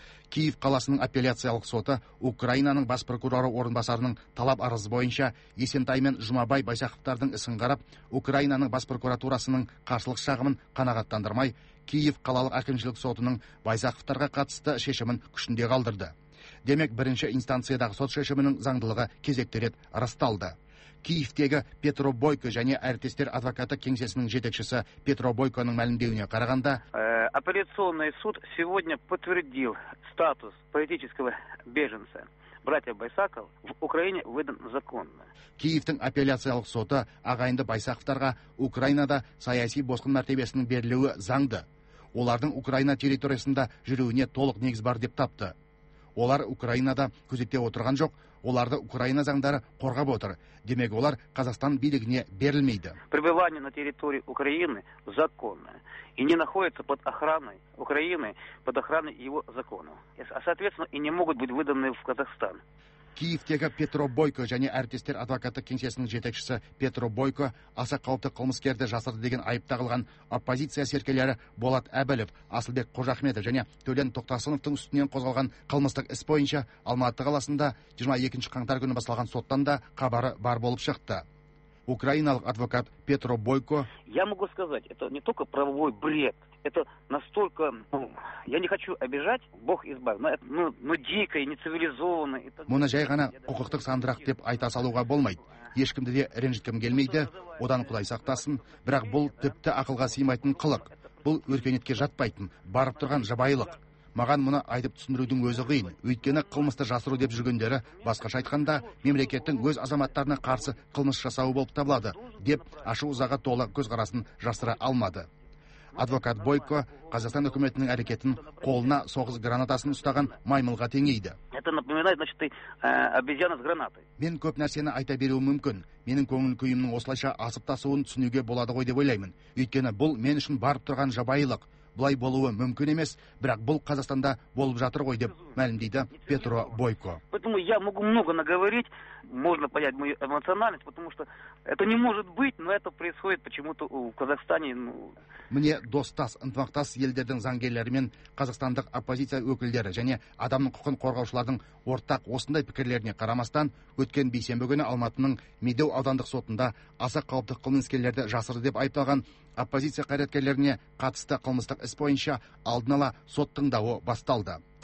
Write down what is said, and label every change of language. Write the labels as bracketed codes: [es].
[kk] Киев қаласының апелляциялық соты Украинаның бас прокуроры орынбасарының талап арызы бойынша Есентай мен Жұмабай Байсақовтардың ісін қарап, Украинаның бас прокуратурасының қарсылық шағымын қанағаттандырмай, Киев қалалық әкімшілік сотының Байсақовтарға қатысты шешімін күшінде қалдырды. Демек, бірінші инстанциядағы сот шешімінің заңдылығы кезекті рет расталды. Киевтегі Петро Бойко және әртестер адвокаты кеңсесінің жетекшісі Петро Бойконың мәлімдеуіне қарағанда, [ru] апелляционный суд сегодня подтвердил статус политического беженца. Братья Байсаков в Украине выдан законно. [kk] Киевтің апелляциялық соты ағайынды Байсаковтарға Украинада саяси босқын мәртебесінің берілуі заңды. Олардың Украина территориясында жүруіне толық негіз бар деп тапты. Олар Украинада күзетте отырған жоқ, оларды Украина заңдары қорғап отыр. Демек олар Қазақстан билігіне берілмейді. [ru] Пребывание на территории Украины законно и не находится под охраной Украины, под охраной его законов. А соответственно и не могут быть выданы в Казахстан. [kk] Киевтегі Петро Бойко және әртестер адвокаты кеңсесінің жетекшісі Петро Бойко аса қауіпті қылмыскерді жасырды деген айып тағылған оппозиция серкелері Болат Әбілов, Асылбек Қожахметов және Төлен Тоқтасыновтың үстінен қозғалған қылмыстық іс бойынша Алматы қаласында 22 қаңтар күні басталған соттан да хабары бар болып шықты. Украиналық адвокат Петро Бойко: [ru] «Я могу сказать, это не только правовой бред. Это настолько, я не хочу обижать, Бог избавил, но дико и нецивилизованно». [kk] Мұны жай ғана құқықтық сандырақ деп айта салуға болмайды. Ешкімді де ренжіткім келмейді, одан құдай сақтасын, бірақ бұл тіпті ақылға сыймайтын қылық. Бұл өркениетке жатпайтын, барып тұрған жабайылық. Маған мұны айтып түсіндірудің өзі қиын. Өйткені қылмысты жасыру деп жүргендері, басқаша айтқанда, мемлекеттің өз азаматтарына қарсы қылмыс жасауы болып табылады, деп ашу ызаға толы көзқарасын жасыра алмады. Адвокат Бойко Қазақстан үкіметінің әрекетін қолына соғыс гранатасын ұстаған маймылға теңейді. [ru] Это напоминает, значит, ты обезьяна с гранатой. [kk] Мен көп нәрсені айта беруім мүмкін. Менің көңіл күйімнің осылайша асып тасуын түсінуге болады ғой деп ойлаймын. Өйткені бұл мен үшін барып тұрған жабайылық. Бұлай болуы мүмкін емес, бірақ бұл Қазақстанда болып жатыр ғой деп мәлімдейді Петро Бойко. [ru] Поэтому я могу много наговорить, можно понять мою эмоциональность, потому что это не может быть, но это происходит почему-то в Казахстане. [kk] Міне достас, ынтымақтас елдердің заңгерлері мен қазақстандық оппозиция өкілдері және адамның құқын қорғаушылардың ортақ осындай пікірлеріне қарамастан, өткен бейсенбі күні Алматының Медеу аудандық сотында аса қауіпті қылмыскерлерді жасырды деп айыпталған оппозиция қайраткерлеріне қатысты қылмыстық іс бойынша алдын ала сот тыңдауы басталды.